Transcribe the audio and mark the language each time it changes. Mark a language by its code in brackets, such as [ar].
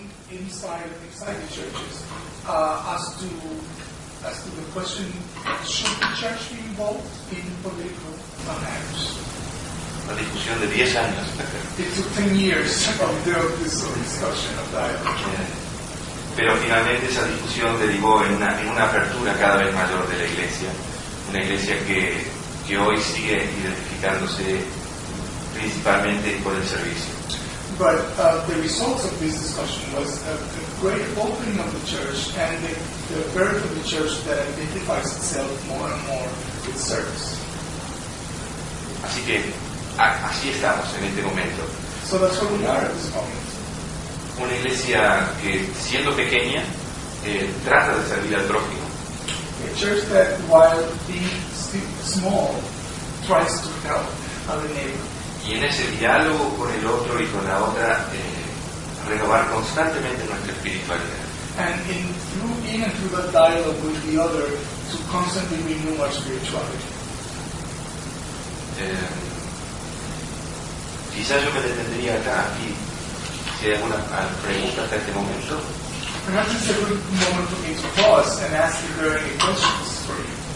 [en] inside the churches, as to the question, should the church be involved in political matters? [es] La discusión de 10 años. [en] It took 10 years of this discussion of that. [es] Pero finalmente esa discusión derivó en una apertura cada vez mayor de la iglesia, una iglesia que hoy sigue identificándose principalmente por el servicio. [en] But the result of this discussion was a great opening of the church and the birth of the church that identifies itself more and more with service. [es] Así que así estamos en este momento. [en] So that's where we are at this moment. [es] Una iglesia que, siendo pequeña, trata de servir al prójimo. [en] A church that, while being small, tries to help other neighbors. [es] Y en ese diálogo con el otro y con la otra, renovar constantemente nuestra espiritualidad. [en] And through that dialogue with the other, to constantly renew our spirituality. [es] Quizás yo me detendría acá, aquí. ¿Hay alguna pregunta hasta este momento? [en] Perhaps it's a good moment for me to pause and ask if there are any questions for you.